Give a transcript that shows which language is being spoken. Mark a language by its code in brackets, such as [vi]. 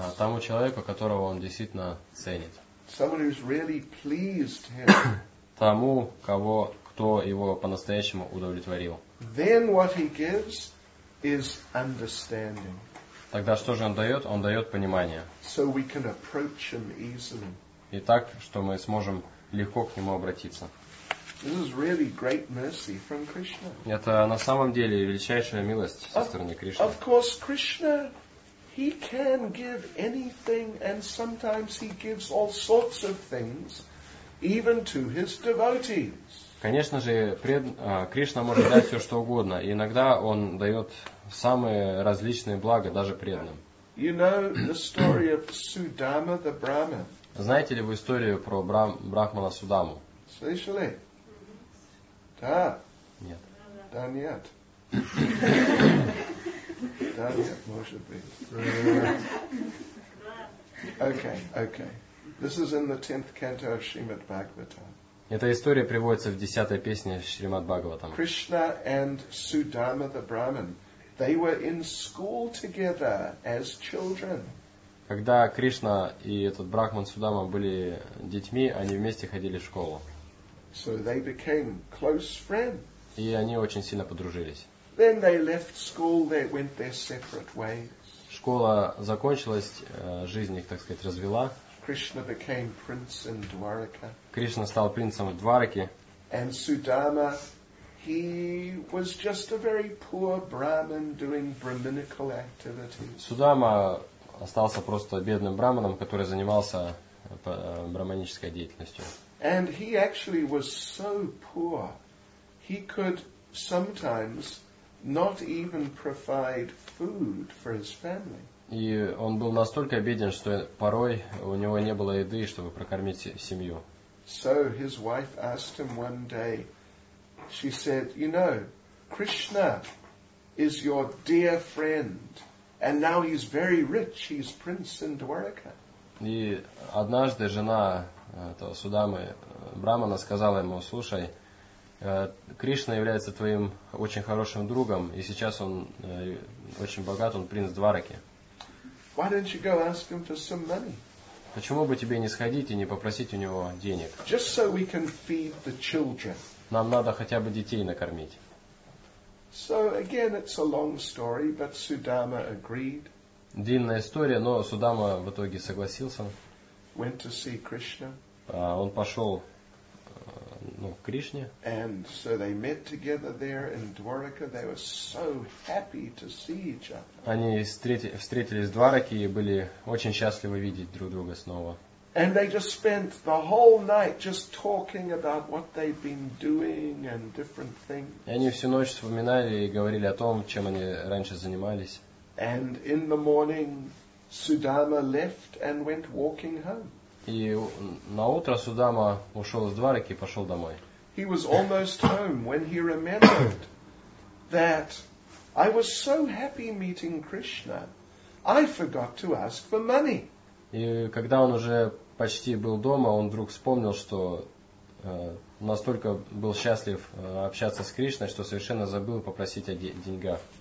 [ru] Тому человеку, которого он действительно ценит. [en] Someone who's really pleased him. [ru] Тому, кто его по-настоящему удовлетворил. [en] Then what he gives is understanding. [ru] Тогда что же он дает? Он дает понимание. [en] So we can approach him easily. [ru] И так, что мы сможем легко к нему обратиться. [en] This is really great mercy from Krishna. [ru] Это на самом деле величайшая милость со стороны Кришны. [en] Of course, Krishna, he can give anything, and sometimes he gives all sorts of things, even to his devotees. [ru] Конечно же, Кришна может дать все, что угодно. И иногда он дает самые различные блага, даже преданным. [en] You know the story of Sudama the Brahmin? [ru] Знаете ли вы историю про Брахмана Судаму? Слышали? Да. Нет. Да нет. Да нет, может быть. Okay. [en] This is in the 10th canto of Srimad Bhagavatam. [ru] Эта история приводится в 10-й песне Шримад Бхагаватам. [en] Krishna and Sudama the Brahmin, they were in school together as children. [ru] Когда Кришна и этот Брахман Судама были детьми, они вместе ходили в школу. [en] So they became close friends. [ru] И они очень сильно подружились. [en] Then they left school, they went their separate ways. [ru] Школа закончилась, жизнь их, так сказать, развела. [en] Krishna became prince in Dwarka. [ru] Кришна стал принцем в Двараке. [en] And Sudama, he was just a very poor Brahmin doing brahminical activities. [ru] Судама остался просто бедным брахманом, который занимался брахманической деятельностью. [en] And he actually was so poor, he could sometimes not even provide food for his family. [ru] И он был настолько беден, что порой у него не было еды, чтобы прокормить семью. [en] So his wife asked him one day, she said, you know, Krishna is your dear friend, and now he's very rich, he's prince in Dwarka. [ru] И однажды жена этого Судамы, Брамана, сказала ему, слушай, Кришна является твоим очень хорошим другом, и сейчас он очень богат, он принц Двараки. [en] Why don't you go ask him for some money? [ru] Почему бы тебе не сходить и не попросить у него денег? [en] Just so we can feed the children. [ru] Нам надо хотя бы детей накормить. [en] So again, it's a long story, but Sudama agreed. [ru] Длинная история, но Судама в итоге согласился. [en] Went to see Krishna. [ru] Он пошел к Кришне. [en] And so they met together there in Dwarka. They were so happy to see each other. [ru] Они встретились в Двараке и были очень счастливы видеть друг друга снова. [en] And they just spent the whole night just talking about what they've been doing and different things. [ru] И они всю ночь вспоминали и говорили о том, чем они раньше занимались. [en] And in the morning, Sudama left and went walking home. [ru] И на утро Судама ушел из Двараки и пошел домой. [en] He was almost home when he remembered that I was so happy meeting Krishna, I forgot to ask for money. [ru] И когда он уже почти был дома, он вдруг вспомнил, что настолько был счастлив общаться с Кришной, что совершенно забыл попросить о деньгах.